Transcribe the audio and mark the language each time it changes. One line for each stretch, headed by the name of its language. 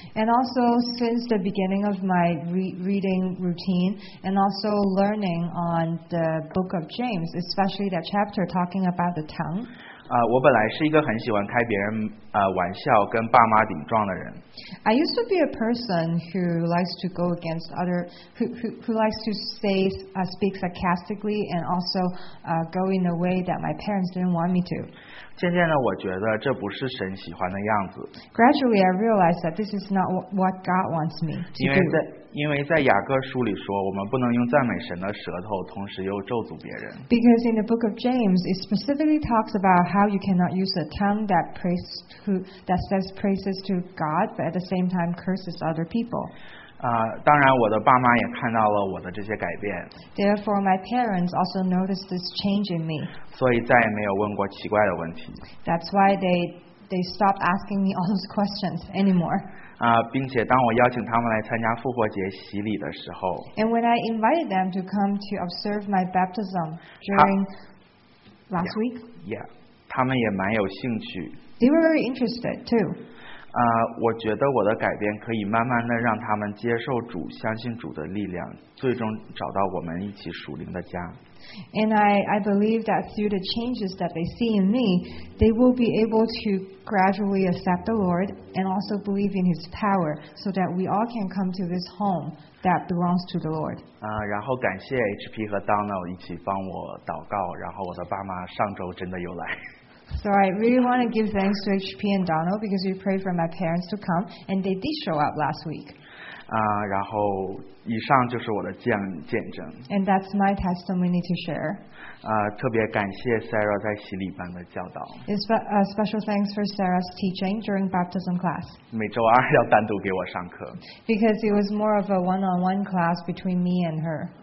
English: And also since the beginning of my reading routine, and also learning on the book of James, especially that chapter talking about the tongue.
Chinese: 我本来是一个很喜欢开别人玩笑跟爸妈顶撞的人。
English: I used to be a person who likes to go against other, who likes to say, speak sarcastically and also go in a way that my parents didn't want me to.
Chinese: 渐渐的我觉得这不是神喜欢的样子。
English: Gradually I realized that this is not what God wants me to do.
Chinese: 因为在雅各书里说，我们不能用赞美神的舌头，同时又咒诅别人。
English: Because in the book of James, it specifically talks about how you cannot use a tongue that says praises to God, but at the same time curses other people.
Chinese: 当然，我的爸妈也看到了我的这些改变。
English: Therefore, my parents also noticed this change in me.
Chinese: 所以再也没有问过奇怪的问题。
English: That's why they stopped asking me all those questions anymore.
Chinese: 并且当我邀请他们来参加复活节洗礼的时候
English: And when I invited them to come to observe my baptism during last week
Chinese: yeah, 他们也蛮有兴趣
English: They were very interested too
Chinese: 我觉得我的改变可以慢慢的让他们接受主，相信主的力量，最终找到我们一起属灵的家。
English: And I believe that through the changes that they see in me, they will be able to gradually accept the Lord and also believe in His power, so that we all can come to this home that belongs to the Lord.
Chinese: 然后感谢 HP 和 Donald 一起帮我祷告，然后我的爸妈上周真的又来。
English: So I really want to give thanks to HP and Donald because we prayed for my parents to come and they did show up last week.
Chinese: 然后以上就是我的见证。
English: And that's my testimony to share.
Chinese: 特别感谢 Sarah 在洗礼班的教导。
English: Special thanks for Sarah's teaching during baptism class.
Chinese: 每周二要单独给我上课。
English: Because it was more of a one-on-one class between me and her.